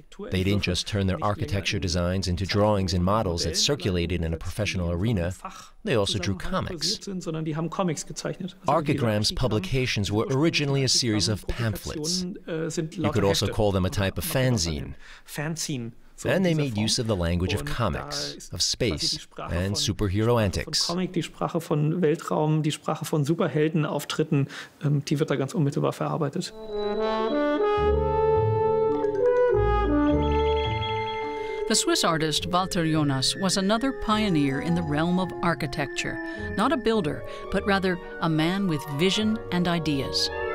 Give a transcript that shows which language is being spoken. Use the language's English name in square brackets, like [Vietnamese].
[English] They didn't just turn their architecture designs into drawings and models that circulated in a professional arena, they also drew comics. Archigram's publications were originally a series of pamphlets. You could also call them a type of fanzine. And they made use of the language of comics, of space, and superhero antics. [German] Comic, die Sprache von Weltraum, die Sprache von Superheldenauftritten, die wird da ganz unmittelbar verarbeitet. [English] The Swiss artist Walter Jonas was another pioneer in the realm of architecture, not a builder, but rather a man with vision and ideas.